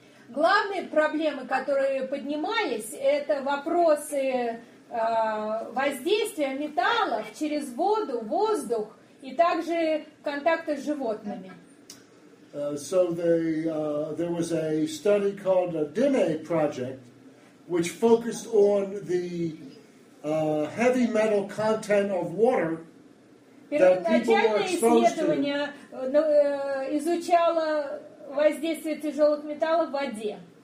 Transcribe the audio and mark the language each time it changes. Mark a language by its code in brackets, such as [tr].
[ru] Главные проблемы, которые поднимались, это вопросы воздействия металлов через воду, воздух и также контакты с животными. [en] So there was a study called the Dine Project, which focused on the heavy metal content of water. [ru] Первоначальное исследование изучало воздействие тяжелых металлов в воде.